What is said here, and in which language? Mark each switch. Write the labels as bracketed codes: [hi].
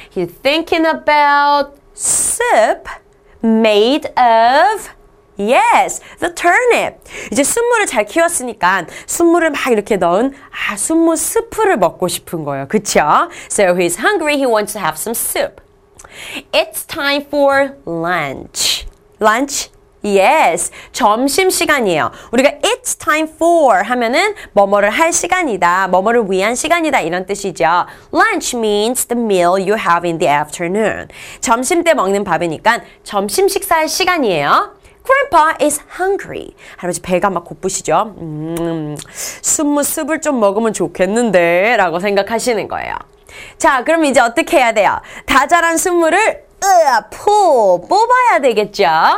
[en] He's thinking about soup made of Yes, the turnip. [ko] 이제 순무를 잘 키웠으니까 순무를 막 이렇게 넣은 아, 순무 수프를 먹고 싶은 거예요. 그쵸? [en] So he's hungry. He wants to have some soup. It's time for lunch. Lunch? Yes. [ko] 점심 시간이에요. 우리가 [en] it's time for [ko] 하면은 뭐뭐를 할 시간이다. 뭐뭐를 위한 시간이다. 이런 뜻이죠. [en] Lunch means the meal you have in the afternoon. [ko] 점심 때 먹는 밥이니까 점심 식사할 시간이에요. [en] Grandpa is hungry. [ko] 할아버지 배가 막 고프시죠? 순무 수프를 좀 먹으면 좋겠는데 라고 생각하시는 거예요. 자, 그럼 이제 어떻게 해야 돼요? 다 자란 순무를 뽑아야 되겠죠?